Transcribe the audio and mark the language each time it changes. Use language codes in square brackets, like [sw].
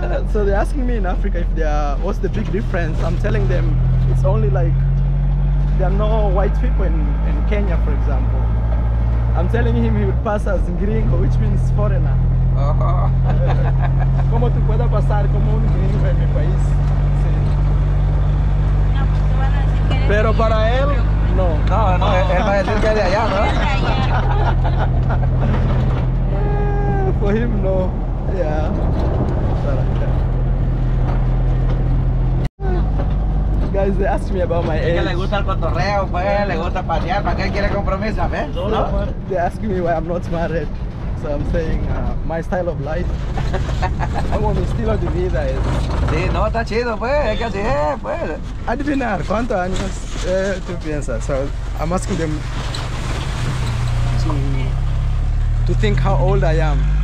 [en] So they're asking me in Africa if they are, what's the big difference? I'm telling them it's only like there are no white people in Kenya, for example. I'm telling him he would pass as gringo, which means foreigner. Uh-huh. [es] ¿Cómo tú puedes pasar como un gringo en mi país? Sí. No, pues tú van a decir que eres. Pero para él, no. No, él va a decir que es de allá, ¿no? [en] For him, no. Yeah. Guys, they asked me about my age. [es] Que le gusta el cotorreo, pues, le gusta pasear, ¿para qué quiere compromiso, ¿eh? [en] No, no. They ask me why I'm not married. So I'm saying my style of life. [es] Como mi estilo de vida es. Sí, no, está chido, pues, es que así es, pues. Adivinar, ¿cuántos años tú piensas? [en] So I'm asking them to think how old I am.